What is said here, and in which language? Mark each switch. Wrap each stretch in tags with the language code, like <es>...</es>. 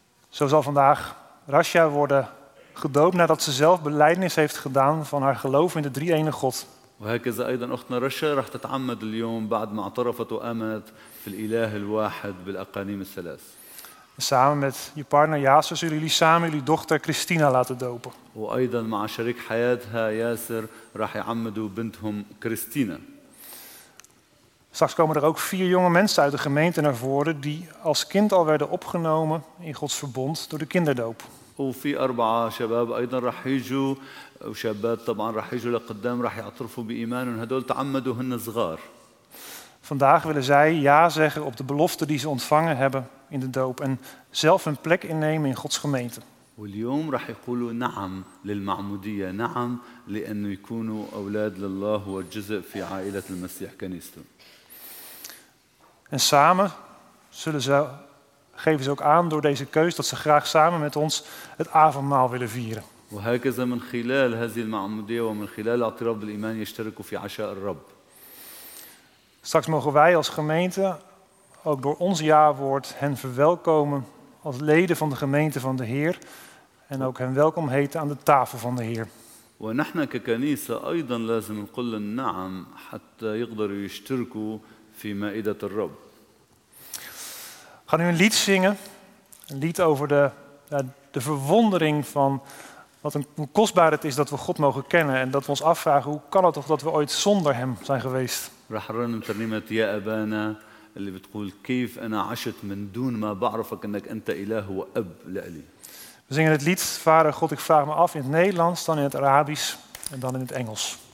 <nl>Zo zal vandaag Rasha worden gedoopt nadat ze zelf belijdenis heeft gedaan van haar geloof in de drie ene God.</nl> <ar>وهكذا ايضا اختنا رشا راح تتعمد اليوم بعد ما اعترفت وامنت في الاله الواحد بالاقانيم الثلاث.</ar> <nl>Samen met je partner Yasser zullen jullie samen jullie dochter Christina laten dopen.</nl> <ar>وايضا مع شريك حياتها ياسر راح يعمدوا بنتهم كريستينا.</ar> <nl>Straks komen er ook vier jonge mensen uit de gemeente naar voren die als kind al werden opgenomen in Gods verbond door de kinderdoop.</nl> <ar>وفي اربعة شباب ايضا راح يجوا وشابات طبعا راح يجوا لقدام راح يعترفوا بإيمانهم هدول تعمدوا هن صغار.</ar> <nl>Vandaag willen zij ja zeggen op de belofte die ze ontvangen hebben in de doop en zelf een plek innemen in Gods gemeente.</nl> <ar>واليوم راح يقولوا نعم للمعمودية نعم لأنه يكونوا أولاد لله وجزء في عائلة المسيح كنيسته.</ar> <nl>En samen zullen ze, geven ze ook aan door deze keus dat ze graag samen met ons het avondmaal willen vieren.</nl> <ar>وهكذا من خلال هذه المعمودية ومن خلال اعتراف بالإيمان يشتركوا في عشاء الرب.</ar> <nl>Straks mogen wij als gemeente ook door ons jaarwoord hen verwelkomen als leden van de gemeente van de Heer en ook hen welkom heten aan de tafel van de Heer.</nl> <ar>ونحن ككنيسة أيضا لازم نقول النعم حتى يقدروا يشتركوا في مائدة الرب.</ar> <nl>Gaan nu een lied zingen, een lied over de verwondering van wat een kostbaar het is dat we God mogen kennen en dat we ons afvragen hoe kan het toch dat we ooit zonder hem zijn geweest.</nl> <ar>راح نرنم ترنيمة يا أبانا اللي بتقول كيف أنا عشت من دون ما بعرفك أنك أنت إله وأب لألي.</ar> <nl>We zingen het lied Vader God ik vraag me af in het Nederlands, dan in het Arabisch en dan in het Engels.</nl>